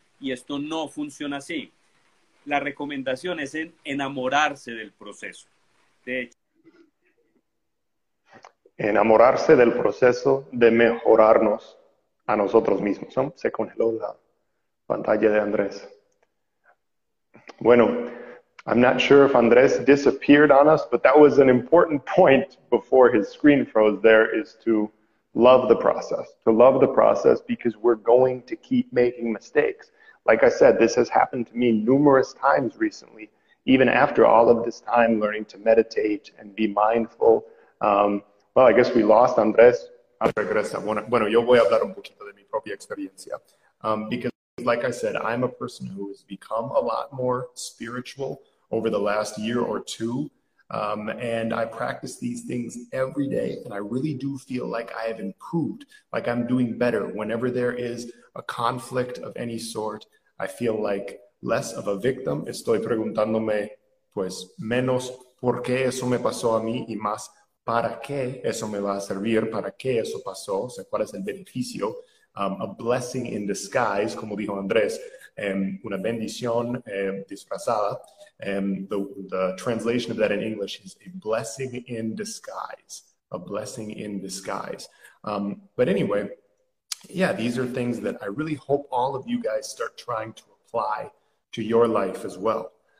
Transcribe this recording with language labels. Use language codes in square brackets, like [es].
[es] Y esto no funciona así. La recomendación es en enamorarse del proceso. De hecho, Enamorarse del proceso de mejorarnos a nosotros mismos, ¿no? Se congeló la pantalla de Andrés. [en] Bueno, I'm not sure if Andrés disappeared on us, but that was an important point before his screen froze there, is to love the process. To love the process because we're going to keep making mistakes. Like I said, this has happened to me numerous times recently, even after all of this time learning to meditate and be mindful. Well, I guess we lost Andrés. [es] Regresa. Bueno, yo voy a hablar un poquito de mi propia experiencia. [en] Because, like I said, I'm a person who has become a lot more spiritual over the last year or two. And I practice these things every day. And I really do feel like I have improved, like I'm doing better. Whenever there is a conflict of any sort, I feel like less of a victim. [es] Estoy preguntándome, pues, menos por qué eso me pasó a mí y más. ¿Para qué eso me va a servir? ¿Para qué eso pasó? O sea, ¿cuál es el beneficio? [en] A blessing in disguise, [es] como dijo Andrés, una bendición disfrazada. [en] The translation of that in English is a blessing in disguise. A blessing in disguise. But anyway, yeah, these are things that I really hope all of you guys start trying to apply to your life as well.